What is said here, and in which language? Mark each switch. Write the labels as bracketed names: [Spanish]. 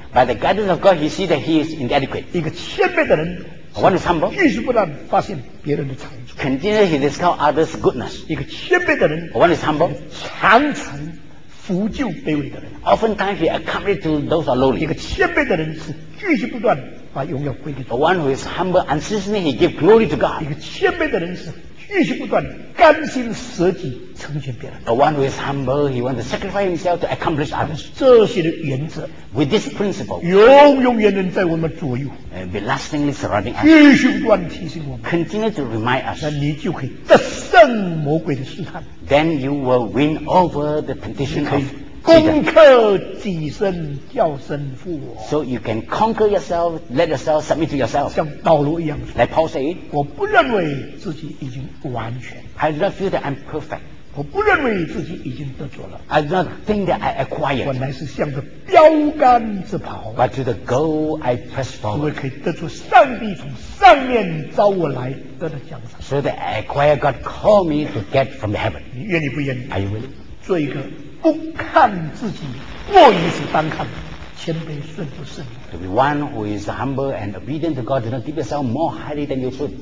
[English] By the guidance of God, he sees that he is inadequate. [Chinese] 一个谦卑的人。 [English] One is humble. [Chinese] 继续不断发现别人的长处。 [English] Continue to discover others' goodness. [Chinese] 一个谦卑的人。 [English] One is humble. [Chinese] 常常扶救卑微的人。 [English] Oftentimes he accompanies to those who are lowly. [Chinese] 一个谦卑的人是继续不断把荣耀归给主。 [English] One who is humble and sincere, he gives glory to God. [Chinese] 一个谦卑的人是继续不断甘心舍己成全别人。 [English] One who is humble, he wants to sacrifice himself to accomplish others. [Chinese] 这些的原则。 [English] With this principle, [Chinese] 永永远远在我们左右。 [English] And be lastingly surrounding us. [Chinese] 继续不断提醒我们。 [English] Continue to remind us. [Chinese] 那你就可以得胜魔鬼的试探。 [English] Then you will win over the temptation of Satan. [Chinese] 攻克己身，叫身负我。 [English] So you can conquer yourself, let yourself submit to yourself. [Chinese] 像保罗一样。 [English] Like Paul said, [Chinese] 我不认为自己已经完全。 [English] I do not feel that I'm perfect. [Chinese] 我不认为自己已经得着了。 [English] I do not think that I acquired. [Chinese] 我乃是向着标杆直跑。 [English] But to the goal I press forward. [Chinese] 我可以得出上帝从上面召我来得的奖赏。 [English] So that I acquire God called me to get from heaven. [Chinese] 你愿意不愿意？ [English] Are you willing? [Chinese] 做一个不看自己，过于是单看，谦卑顺服圣灵。 [English] To be one who is humble and obedient to God, do not give yourself more highly than you should.